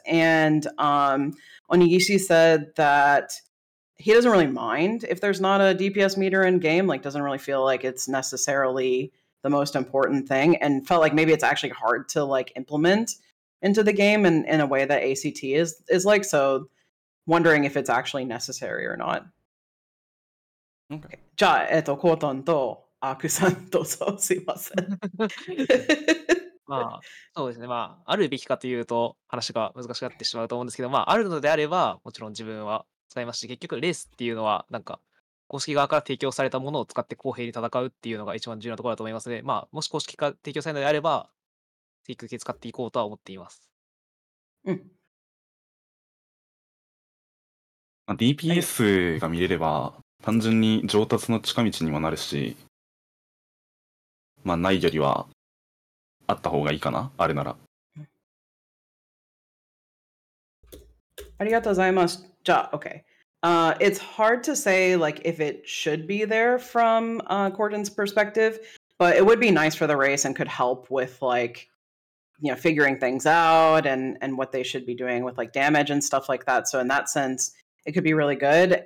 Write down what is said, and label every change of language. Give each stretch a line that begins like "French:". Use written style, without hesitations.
English: And Onigishi said that he doesn't really mind if there's not a DPS meter in game, like doesn't really feel like it's necessarily the most important thing, and felt like maybe it's actually hard to like implement into the game in a way that ACT is like, so wondering if it's actually necessary or not. Okay.
Japanese: じゃあ、コートンとアークさんどうぞ、すいません。まあ、そうですね。まあ、あるべきかというと話が難しくなってしまうと思うんですけど、まあ、あるのであれば、もちろん自分は使いますし、結局、レースっていうのは、なんか、公式側から提供されたものを使って公平に戦うっていうのが一番重要なところだと思いますので、まあ、もし公式から提供されるのであれば、積極的に使っていこうとは思っています。うん。 DPS が見れれば単純に上達の近道にもなるし、まあないよりはあった方がいいかな、あれなら。ありがとうございます。じゃあ、
English: OK、 It's hard to say like if it should be there from Corden's perspective, but it would be nice for the race and could help with like, you know, figuring things out and what they should be doing with like damage and stuff like that, so in that senseIt could be really good.